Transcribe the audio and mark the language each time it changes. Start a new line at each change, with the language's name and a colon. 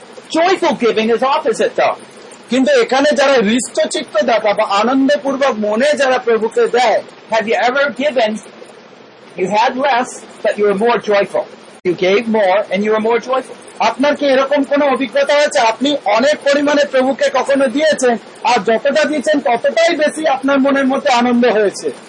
English: Joyful giving is opposite though.
Bangla: কিন্তু এখানে যারা হৃষ্ট চিত্ত দেয় বা আনন্দ পূর্বক মনে যারা প্রভুকে দেয়
English: Have you ever given, you had less, but you were more joyful. You gave more and you were more joyful.
Bangla: আপনার কি এরকম কোন অভিজ্ঞতা আছে আপনি অনেক পরিমাণে প্রভুকে কখনো দিয়েছেন আর যতটা দিয়েছেন ততটাই বেশি আপনার মনের মধ্যে আনন্দ হয়েছে